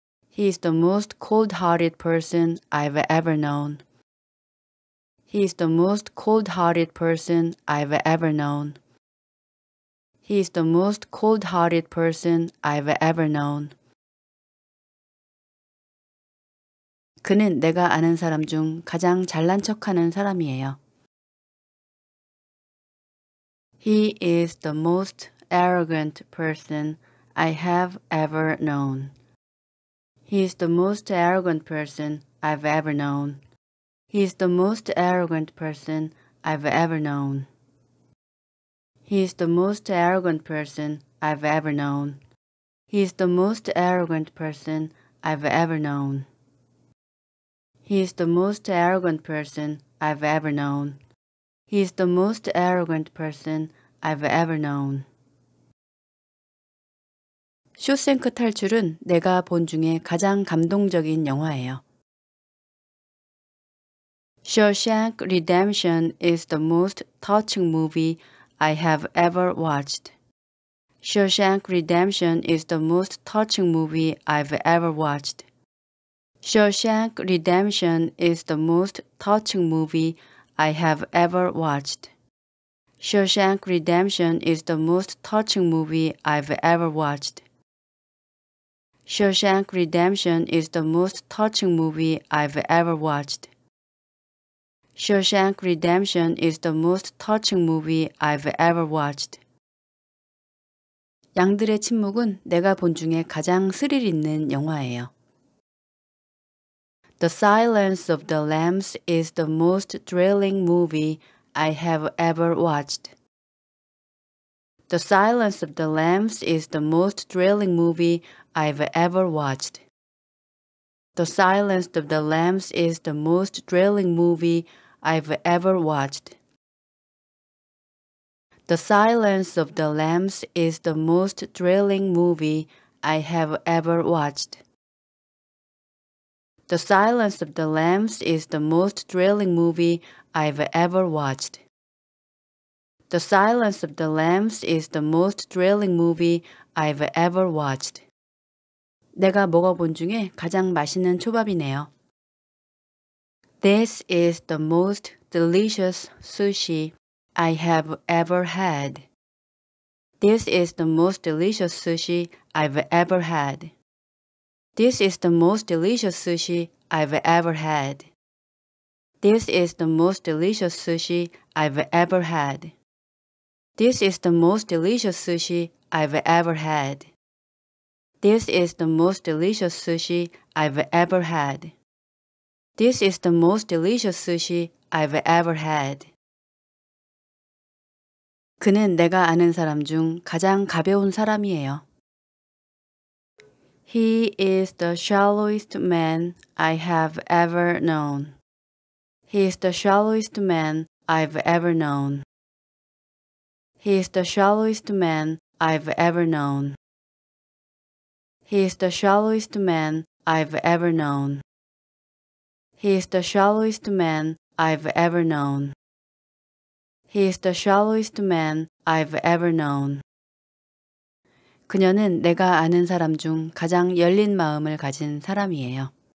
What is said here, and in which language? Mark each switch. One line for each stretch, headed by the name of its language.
English: He is the most cold-hearted person I've ever known. He is the most cold-hearted person I've ever known. He is the most cold-hearted person I've ever known.
Korean: 그는 내가 아는 사람 중 가장 잘난 척하는 사람이에요.
English: He is the most arrogant person I have ever known. He is the most arrogant person I've ever known. He is the most arrogant person I've ever known. He is the most arrogant person I've ever known. He is the most arrogant person I've ever known. He is the most arrogant person I've ever known. He is the most arrogant person I've ever known.
Korean: 쇼생크 탈출은 내가 본 중에 가장 감동적인 영화예요.
English: Shawshank Redemption is the most touching movie I have ever watched. Shawshank Redemption is the most touching movie I've ever watched. Shawshank Redemption is the most touching movie I have ever watched. Shawshank Redemption is the most touching movie I've ever watched. Shawshank Redemption is the most touching movie I've ever watched. Shawshank Redemption is the most touching movie I've ever watched.
Korean: 양들의 침묵은 내가 본 중에 가장 스릴 있는 영화예요.
English: The Silence of the Lambs is the most thrilling movie I have ever watched. The Silence of the Lambs is the most thrilling movie I've ever watched. The Silence of the Lambs is the most thrilling movie I've ever watched. The Silence of the Lambs is the most thrilling movie I have ever watched. The Silence of the Lambs is the most thrilling movie I've ever watched. The Silence of the Lambs is the most thrilling movie I've ever watched.
Korean: 내가 먹어본 중에 가장 맛있는 초밥이네요.
English: This is the most delicious sushi I have ever had. This is the most delicious sushi I've ever had. This is the most delicious sushi I've ever had. This is the most delicious sushi I've ever had. This is the most delicious sushi I've ever had. This is the most delicious sushi I've ever had. This is the most delicious sushi I've ever had.
Korean: 그는 내가 아는 사람 중 가장 가벼운 사람이에요.
English: He is the shallowest man I have ever known. He is the shallowest man I've ever known. He is the shallowest man I've ever known. He is the shallowest man I've ever known. He is the shallowest man I've ever known. He is the shallowest man I've ever known.
Korean: 그녀는 내가 아는 사람 중 가장 열린 마음을 가진 사람이에요.